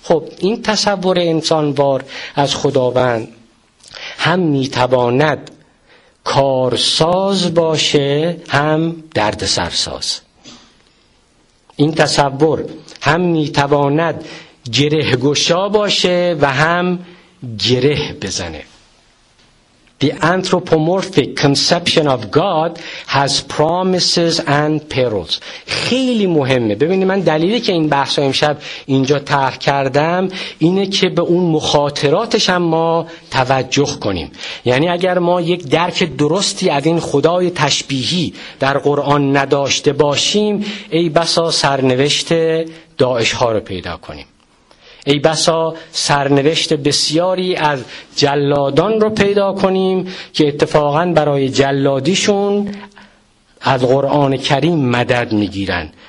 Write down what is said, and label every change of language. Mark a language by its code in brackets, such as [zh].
[fa] خب این تصور انسانوار از خداوند هم میتواند کارساز باشه هم دردسرساز. این تصور هم میتواند گره گشا باشه و هم گره بزنه. [en] The anthropomorphic conception of God has promises and perils. [fa] خیلی مهمه. ببینید، من دلیلی که این بحث رو امشب اینجا طرح کردم اینه که به اون مخاطراتش هم ما توجه کنیم. یعنی اگر ما یک درک درستی از این خدای تشبیهی در قرآن نداشته باشیم، ای بسا سرنوشت داعش ها رو پیدا کنیم، ای بسا سرنوشت بسیاری از جلادان رو پیدا کنیم که اتفاقا برای جلادیشون از قرآن کریم مدد میگیرن.